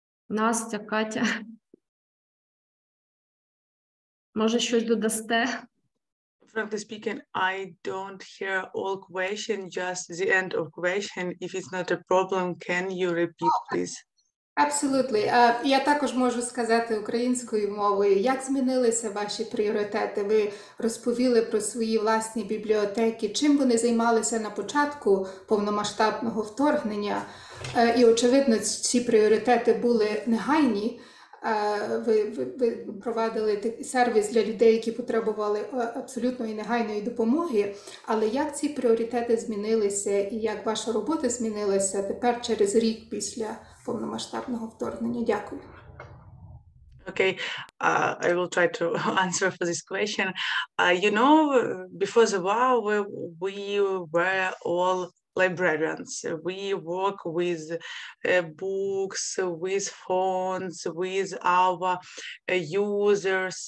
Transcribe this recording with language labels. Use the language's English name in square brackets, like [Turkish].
[Ukrainian] Настя, Катя, може щось додасте? [English] Frankly speaking, I don't hear all question, just the end of question. If it's not a problem, can you repeat, please? Absolutely. [Ukrainian] Я також можу сказати українською мовою, як змінилися ваші пріоритети. Ви розповіли про свої власні бібліотеки, чим вони займалися на початку повномасштабного вторгнення. І очевидно, ці пріоритети були негайні. Ви провадили сервіс для людей, які потребували абсолютної негайної допомоги. Але як ці пріоритети змінилися і як ваша робота змінилася тепер через рік після повномасштабного вторгнення? Дякую. [English] Okay, I will try to answer for this question. You know, before the war, we were all librarians. We work with books, with phones, with our users.